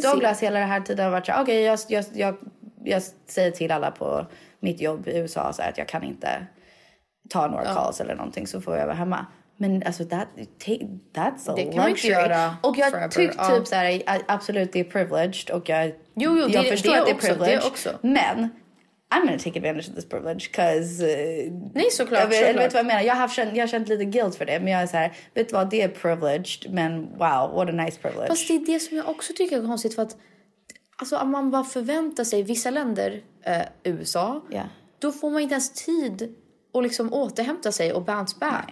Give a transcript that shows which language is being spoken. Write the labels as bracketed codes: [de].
[sv] Douglas hela den här tiden har varit så här, okej, jag säger till alla på mitt jobb i USA så här, att jag kan inte ta några calls eller någonting, så får jag vara hemma. Men alltså, [en] that's a luxury. [sv] Och jag tycker typ så här, absolut, det är privileged. Och jag förstår att det är privileged. Också, det är också. Men... [en] I'm going to take advantage of this privilege, because... [sv] Nej, såklart. Vet du vad jag menar? Jag har känt lite guilt för det, men jag är så här, vet du vad, det är privileged, men wow, [en] what a nice privilege. [sv] Fast det är det som jag också tycker är konstigt, för att... Alltså, om man bara förväntar sig vissa länder, USA, [en] yeah, [sv] då får man inte ens tid att liksom återhämta sig och [en] bounce back.